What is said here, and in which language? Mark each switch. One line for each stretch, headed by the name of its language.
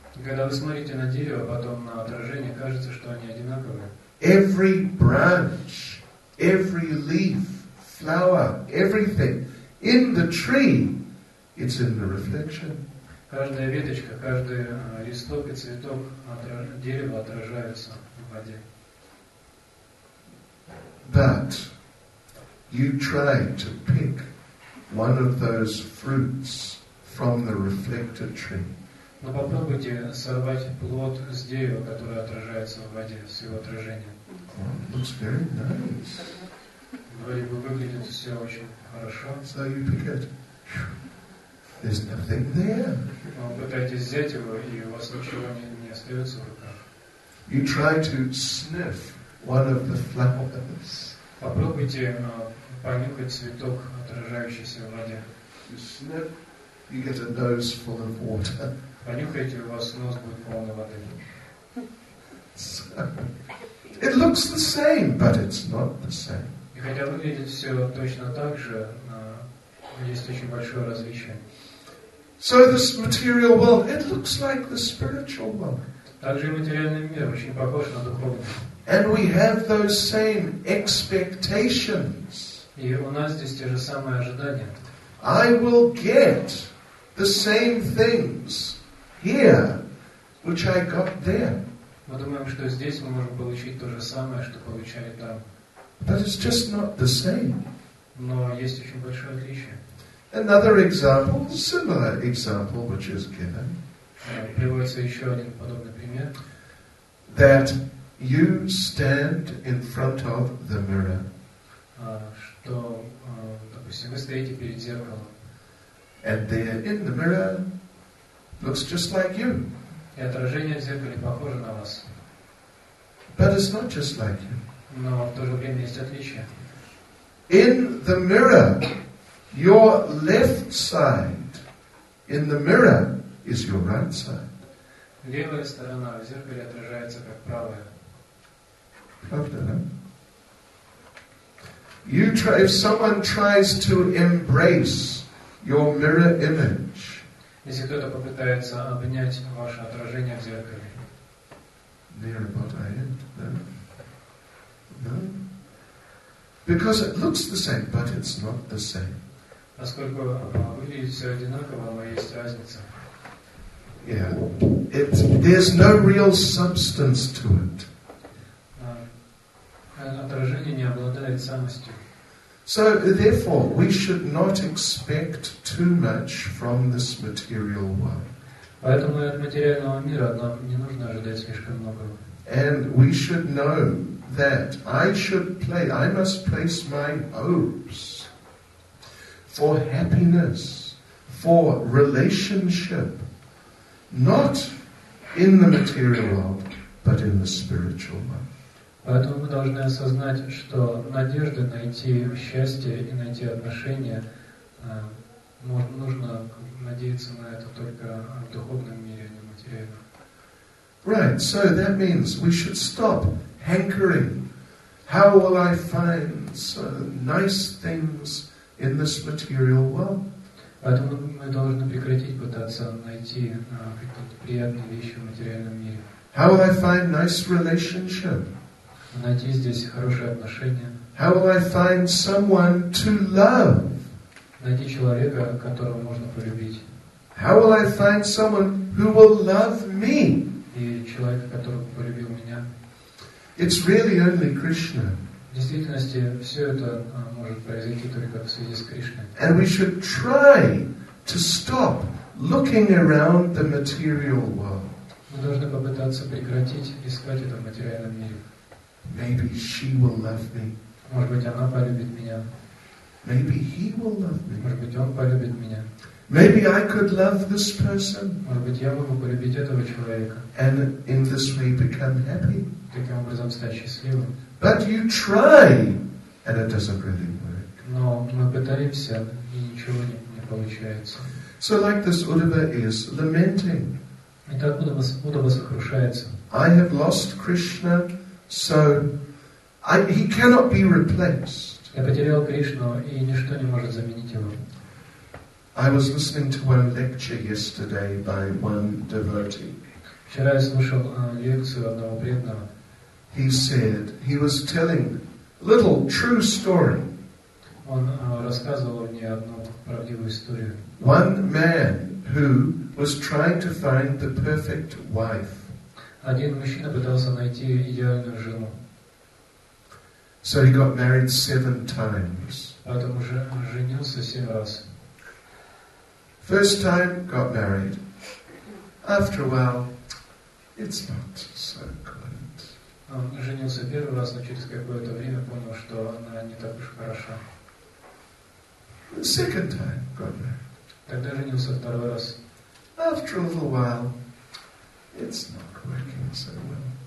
Russian: Когда вы смотрите на дерево, потом на отражение, кажется, что они одинаковые.
English: Every branch, every leaf, flower, everything in the tree, it's in the reflection.
Russian: Каждая веточка, каждый листок и цветок дерева отражаются в воде.
English: But you try to pick one of those fruits from the reflected tree.
Russian: Но попробуйте сорвать плод с дерева, которое отражается в воде, с его отражением.
English: Oh, looks very nice.
Russian: Вроде бы выглядит все очень хорошо.
English: So you pick it. There's nothing there.
Russian: Но пытаетесь взять его, и у вас ничего не остается в руках.
English: You try to sniff one of the flowers.
Russian: Попробуйте понюхать цветок, отражающийся в воде.
English: You sniff, you get a nose full of water.
Russian: Понюхайте, у вас нос будет полный воды.
English: So, it looks the same, but it's not the same.
Russian: И хотя выглядит все точно так же, есть очень большое различие.
English: So this material world, it looks like the spiritual world.
Russian: Также и материальный мир очень похож на духовный.
English: And we have those same expectations.
Russian: И у нас здесь те же самые ожидания.
English: I will get the same things here, which I got there.
Russian: Мы думаем, что здесь мы можем получить то же самое, что получали там.
English: But it's just not the same.
Russian: Но есть очень большое отличие.
English: Another example, similar example, which is given.
Russian: Приводится еще один подобный пример.
English: That you stand in front of the mirror.
Russian: Что, допустим, вы стоите перед зеркалом.
English: And there in the mirror looks just like you.
Russian: И отражение в зеркале похоже на вас.
English: But it's not just like you.
Russian: Но в то же время есть отличие.
English: In the mirror, your left side, in the mirror, is your right side.
Russian: Левая сторона в зеркале отражается как правая. Правда, да?
English: You try, if someone tries to embrace your mirror image,
Russian: если кто-то попытается обнять ваше отражение в зеркале,
English: near about I end,
Russian: да?
English: No? Because it looks the same, but it's not the same.
Russian: Поскольку выглядит все одинаково, но есть разница.
English: Yeah. There's no real substance to it.
Russian: Отражение не обладает самостью.
English: So, therefore, we should not expect too much from this material world.
Russian: Поэтому от материального мира нам не нужно ожидать слишком многого.
English: And we should know that I must place my hopes for happiness, for relationship, not in the material world, but in the spiritual world.
Russian: Поэтому мы должны осознать, что надежды найти счастье и найти отношения, нужно надеяться на это только в духовном мире, а не в материальном.
English: Right, so that means we should stop hankering. How will I find so nice things in this material world?
Russian: Поэтому мы должны прекратить пытаться найти какие-то приятные вещи в материальном мире.
English: How will I find nice relationship?
Russian: Найти здесь хорошие отношения.
English: How will I find someone to love?
Russian: Найти человека, которого можно полюбить.
English: How will I find someone who will love me?
Russian: И человека, который полюбил меня.
English: It's really only Krishna.
Russian: В действительности, все это может произойти только в связи с Кришной.
English: And we should try to stop looking around the material world.
Russian: Мы должны попытаться прекратить искать это в материальном мире.
English: Maybe she will love me.
Russian: Может быть, она полюбит меня.
English: Maybe he will love me.
Russian: Может быть, он полюбит меня.
English: Maybe I could love this person.
Russian: Может быть, я могу полюбить этого человека.
English: And in this way become happy.
Russian: Таким образом стать счастливым.
English: But you try, and it doesn't really work.
Russian: Но мы пытаемся, и ничего не получается.
English: So like this Uddhava is lamenting.
Russian: И так Уддхава сокрушается.
English: I have lost Krishna, so he cannot be replaced.
Russian: Я потерял Кришну, и ничто не может заменить его.
English: I was listening to one lecture yesterday by one devotee.
Russian: Вчера я слушал лекцию одного преданного.
English: He said he was telling a little true story.
Russian: Он рассказывал мне одну правдивую историю.
English: One man who was trying to find the perfect wife.
Russian: Один мужчина пытался найти идеальную жену.
English: So he got married 7 times.
Russian: Потом уже женился 7 раз.
English: First time, got married. After a while, it's not so good.
Russian: Он женился первый раз, но через какое-то время понял, что она не так уж хороша.
English: Second time, got married.
Russian: Тогда женился второй раз.
English: After a little while, it's not working so well.